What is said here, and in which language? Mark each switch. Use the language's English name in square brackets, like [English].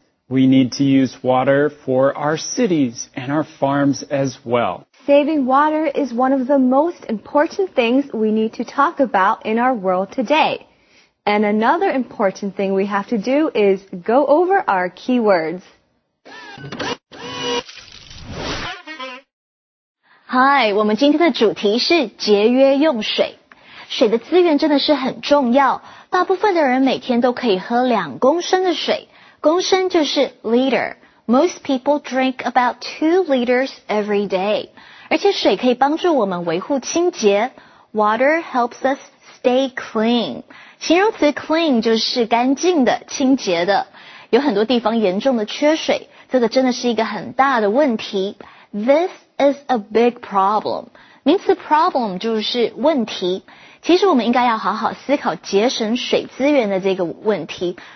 [English] We need to use water for our cities and our farms as well. Saving water is one of the most important things we need to talk about in our world today. And another important thing we have to do is go over our keywords. [Chinese] Hi, 我们今天的主题是节约用水。水的资源真的是很重要，大部分的人每天都可以喝两公升的水。公升就是 liter. [English] Most people drink about 2 liters every day. [Chinese] 而且水可以帮助我们维护清洁。 [English] Water helps us stay clean. [Chinese] 形容词 clean 就是干净的、清洁的。有很多地方严重的缺水，这个真的是一个很大的问题。 [English] This is a big problem. 名词 problem 就是问题。 [Chinese] 其实我们应该要好好思考节省水资源的这个问题。